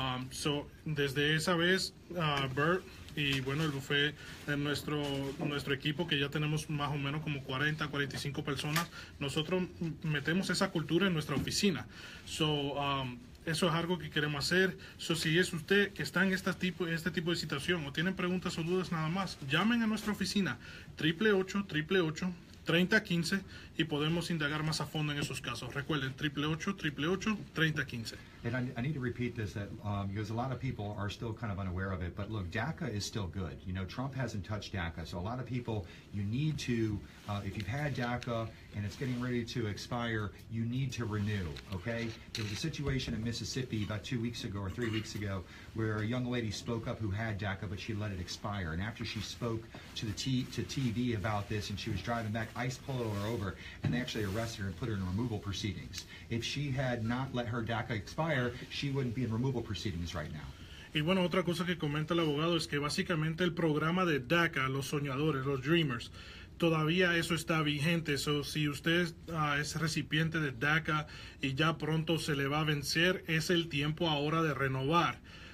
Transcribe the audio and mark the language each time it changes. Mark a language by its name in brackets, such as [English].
[Spanish] So, desde esa vez, Bert y bueno, el bufé de nuestro equipo, que ya tenemos más o menos como 40, 45 personas, nosotros metemos esa cultura en nuestra oficina. So, eso es algo que queremos hacer. So, si es usted que está en este tipo de situación o tienen preguntas o dudas, nada más, llamen a nuestra oficina, 888-888-3015, y podemos indagar más a fondo en esos casos. Recuerden, 888-888-3015. [English] And I need to repeat this because a lot of people are still kind of unaware of it. But look, DACA is still good. You know, Trump hasn't touched DACA. So a lot of people, you need to, if you've had DACA and it's getting ready to expire, you need to renew, okay? There was a situation in Mississippi about 2 weeks ago or 3 weeks ago where a young lady spoke up who had DACA, but she let it expire. And after she spoke to to TV about this and she was driving back, ICE pulled her over and they actually arrested her and put her in removal proceedings. If she had not let her DACA expire, she wouldn't be in removal proceedings right now. [Spanish] Y bueno, otra cosa que comenta el abogado es que básicamente el programa de DACA, los soñadores, los dreamers, todavía eso está vigente. So, si usted es recipiente de DACA y ya pronto se le va a vencer, es el tiempo ahora de renovar.